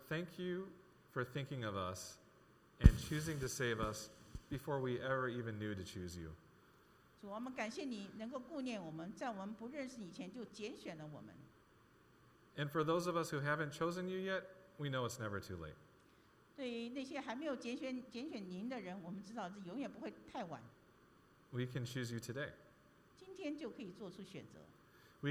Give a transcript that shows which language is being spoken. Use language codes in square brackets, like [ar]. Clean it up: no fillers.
[en] thank you for thinking of us and choosing to save us before we ever even knew to choose you. [zh] 主，我们感谢你能够顾念我们，在我们不认识以前就拣选了我们。 [en] And for those of us who haven't chosen you yet, we know it's never too late. [zh] 对于那些还没有拣选您的人，我们知道是永远不会太晚。 [en] We can choose you today. [zh] 今天就可以做出选择。 [en] We